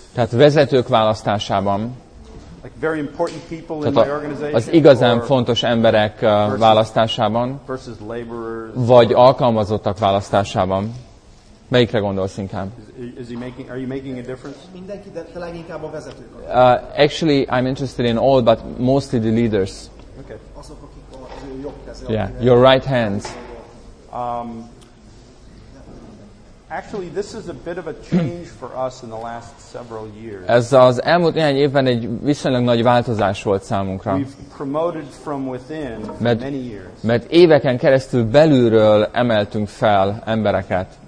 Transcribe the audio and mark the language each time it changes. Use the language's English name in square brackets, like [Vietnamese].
[Hungarian] Tehát vezetők választásában. [English] Like very important people in my organization. [Hungarian] Az igazán fontos emberek választásában. [English] Versus laborers. [Hungarian] Vagy alkalmazottak választásában. Melyikre gondolsz inkább? [English] Are you making a difference? [Hungarian] Mindenki, de te leginkább a vezetők. [English] Actually, I'm interested in all, but mostly the leaders. Okay. [Hungarian] Azok, akik a jobb kezel. [English] Yeah, your right hands. Actually, this is a bit of a change for us in the last several years. [Hungarian] Ez az elmúlt néhány évben egy viszonylag nagy változás volt számunkra. [English] We've promoted from within for many years. [Hungarian] Mert éveken keresztül belülről emeltünk fel embereket.